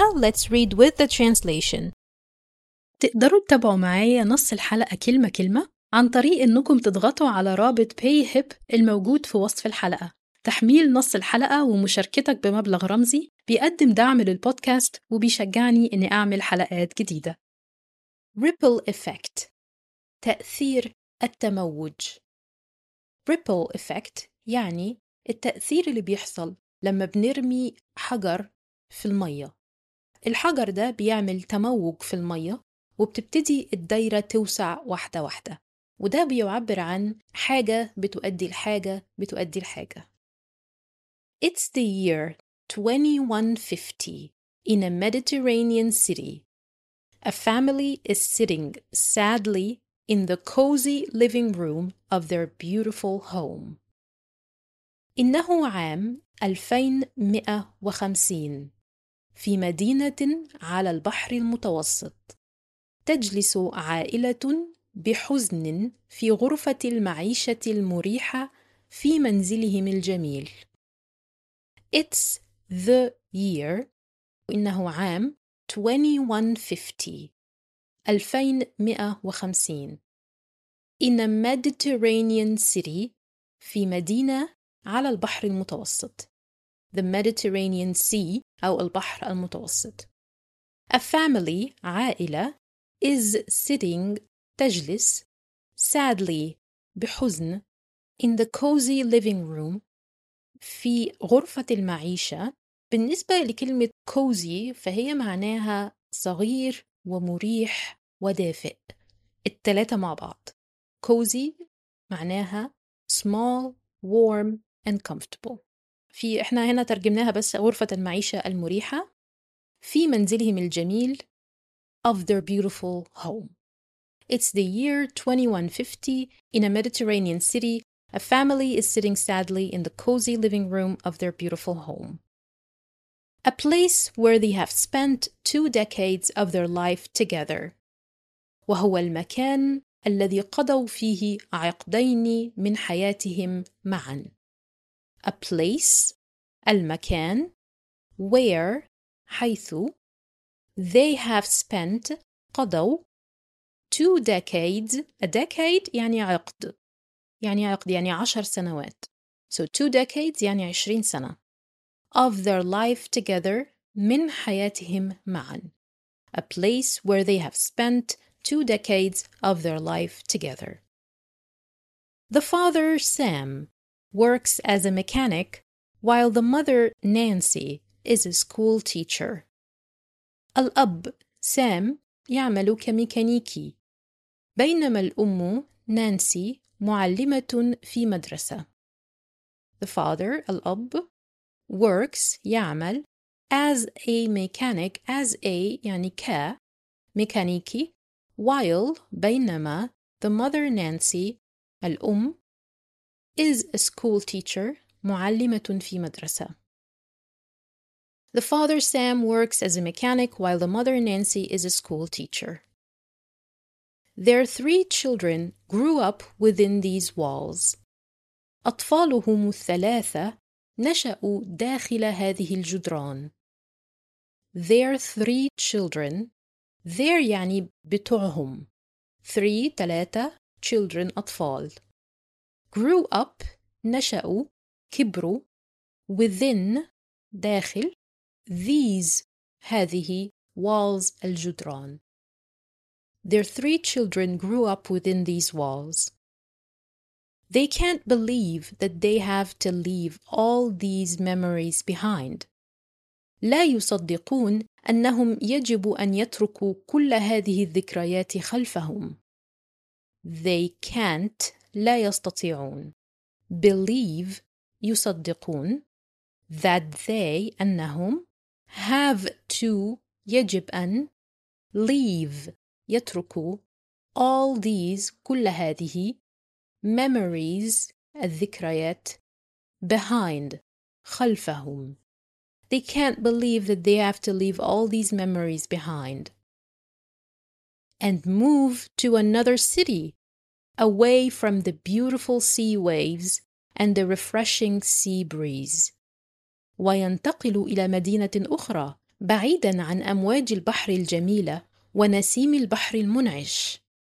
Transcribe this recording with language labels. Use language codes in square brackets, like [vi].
[en] Let's read with the translation. [ar] تقدروا تتابعوا معايا نص الحلقة كلمة كلمة عن طريق أنكم تضغطوا على رابط PayHip الموجود في وصف الحلقة. تحميل نص الحلقة ومشاركتك بمبلغ رمزي بيقدم دعم للبودكاست وبيشجعني أني أعمل حلقات جديدة. Ripple Effect، تأثير التموج. Ripple Effect يعني التأثير اللي بيحصل لما بنرمي حجر في المية. الحجر ده بيعمل تموج في المية وبتبتدي الدايرة توسع واحدة واحدة، وده بيعبر عن حاجة بتؤدي لحاجة بتؤدي لحاجة. [en] It's the year 2150 in a Mediterranean city. A family is sitting sadly in the cozy living room of their beautiful home. [ar] إنه عام 2150 في مدينة على البحر المتوسط. تجلس عائلة بحزن في غرفة المعيشة المريحة في منزلهم الجميل. [en] It's the year، [ar] إنه عام 2150 [en] in a Mediterranean city، [ar] في مدينة على البحر المتوسط. [en] The Mediterranean Sea [ar] أو البحر المتوسط. [en] A family، [ar] عائلة، [en] is sitting، [ar] تجلس، [en] sadly، [ar] بحزن، [en] in the cozy living room، [ar] في غرفة المعيشة. بالنسبة لكلمة cozy فهي معناها صغير ومريح ودافئ، التلاتة مع بعض. [en] cozy معناها small warm and comfortable. [ar] في احنا هنا ترجمناها بس غرفة المعيشة المريحة. في منزلهم الجميل [en] of their beautiful home. It's the year 2150 in a Mediterranean city. A family is sitting sadly in the cozy living room of their beautiful home. A place where they have spent two decades of their life together. [ar] وهو المكان الذي قضوا فيه عقدين من حياتهم معا. [en] A place، [ar] المكان، [en] where، [ar] حيث، [en] they have spent، [ar] قضوا، [en] two decades، a decade [ar] يعني عقد، يعني عقد يعني 10 سنوات. [en] So two decades [ar] يعني 20 سنة. [en] Of their life together، [ar] من حياتهم معا. [en] A place where they have spent two decades of their life together. The father, Sam, works as a mechanic while the mother, Nancy, is a school teacher. [ar] الأب، سام، يعمل كميكانيكي، بينما الأم، نانسي، معلمة في مدرسة. [en] The father، [ar] الأب، [en] works، [ar] يعمل، [en] as a mechanic، as a [ar] يعني ك، ميكانيكي، [en] while، [ar] بينما، [en] the mother Nancy، [ar] الأم، [en] is a school teacher، [ar] معلمة في مدرسة. [en] The father Sam works as a mechanic while the mother Nancy is a school teacher. Their three children grew up within these walls. [ar] أطفالهم الثلاثة نشأوا داخل هذه الجدران. [en] Their three children، their [ar] يعني بتوعهم، [en] three [ar] ثلاثة، [en] children [ar] أطفال، [en] grew up [ar] نشأوا، كبروا، [en] within [ar] داخل، [en] these [ar] هذه [en] walls [ar] الجدران. [en] Their three children grew up within these walls. They can't believe that they have to leave all these memories behind. [ar] لا يصدقون أنهم يجب أن يتركوا كل هذه الذكريات خلفهم. [en] They can't، [ar] لا يستطيعون، [en] believe، [ar] يصدقون، [en] that they، [ar] أنهم، [en] have to، [ar] يجب أن، [en] leave، [ar] يتركوا، [en] all these، [ar] كل هذه، [en] memories، [ar] الذكريات، [en] behind، [ar] خلفهم. [en] They can't believe that they have to leave all these memories behind and move to another city away from the beautiful sea waves and the refreshing sea breeze. [ar] وينتقل إلى مدينة أخرى بعيداً عن أمواج البحر الجميلة ونسيم البحر المنعش.